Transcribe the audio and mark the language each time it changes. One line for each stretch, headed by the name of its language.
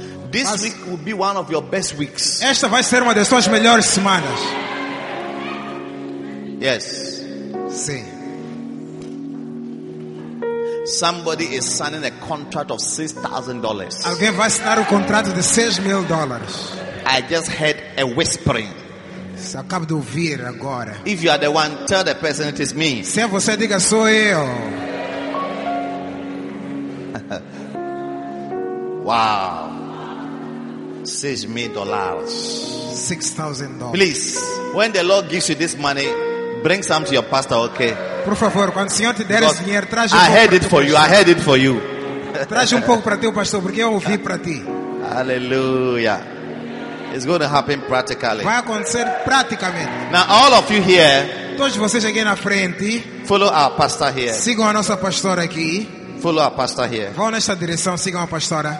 English: This week will be one of your best weeks.
Portuguese: Esta vai ser uma das suas melhores semanas.
English: Yes.
Portuguese: Sim.
English: Somebody is signing a contract of $6,000.
Portuguese: Alguém vai assinar um contrato de $6,000.
English: I just heard a whispering.
Portuguese: Se acabo de ouvir agora.
English: If you are the one, tell the person it is me.
Portuguese: Se é você, diga sou eu.
English: Wow. $6,000.
Portuguese: $6,000.
English: Please, when the Lord gives you this money, bring some to your pastor, okay?
Portuguese: Por favor, quando o Senhor te der esse dinheiro, traz um pouco.
English: I heard it for you. I heard it for you.
Portuguese: Traz um pouco para teu pastor, porque eu ouvi para ti.
English: Hallelujah. It's going to happen practically.
Portuguese: Vai acontecer praticamente.
English: Now all of you here,
Portuguese: todos vocês aqui na frente,
English: follow our pastor here.
Portuguese: Sigam a nossa pastora aqui.
English: Follow our pastor here.
Portuguese: Vão nesta direção, sigam a pastora.